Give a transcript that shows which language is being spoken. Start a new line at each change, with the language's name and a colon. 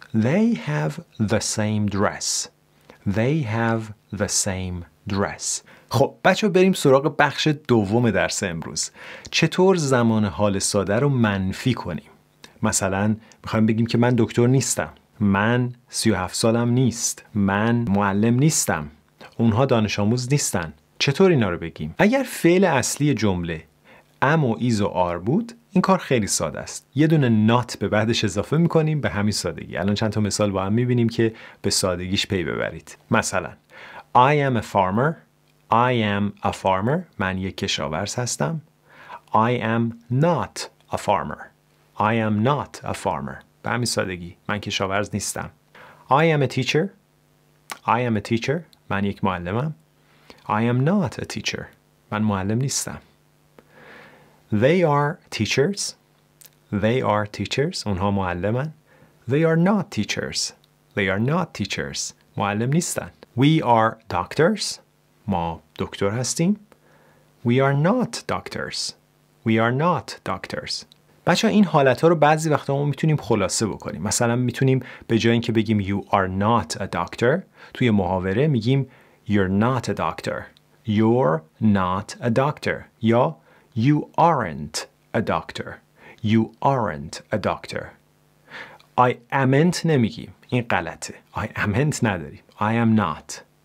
English: They have the same dress. They have the same dress.
Persian: خب بچه بریم سراغ بخش دوم درس امروز. چطور زمان حال ساده رو منفی کنیم؟ مثلا میخوایم بگیم که من دکتر نیستم. من 37 سالم نیست. من معلم نیستم. اونها دانش آموز نیستن. چطور اینا رو بگیم؟ اگر فعل اصلی جمله ام و ایز و آر بود، این کار خیلی ساده است. یه دونه نات به بعدش اضافه میکنیم به همین سادگی. الان چند تا مثال با هم میبینیم که به سادگیش پی ببرید. مثلا
English: I am a farmer. I am a farmer.
Persian: من یک کشاورز هستم.
English: I am not a farmer. I am not a farmer.
Persian: به همین سادگی. من کشاورز نیستم.
English: I am a teacher. I am a teacher.
Persian: من یک معلمم.
English: I am not a teacher.
Persian: من معلم نیستم.
English: They are teachers. They are teachers.
Persian: اونها معلمن.
English: They are not teachers. They are not teachers.
Persian: معلم نیستن.
English: We are doctors.
Persian: ما دکتر هستیم.
English: We are not doctors. We are not doctors.
Persian: بچه ها این حالتها رو بعضی وقتا ما میتونیم خلاصه بکنیم. مثلا میتونیم به جای اینکه بگیم
English: You are not a doctor.
Persian: توی محاوره میگیم
English: You're not a doctor. You're not a doctor.
Persian: یا
English: You aren't a doctor. You aren't a doctor. I amn't
Persian: نمیگیم. این غلطه.
English: I amn't
Persian: نداریم.
English: I am not.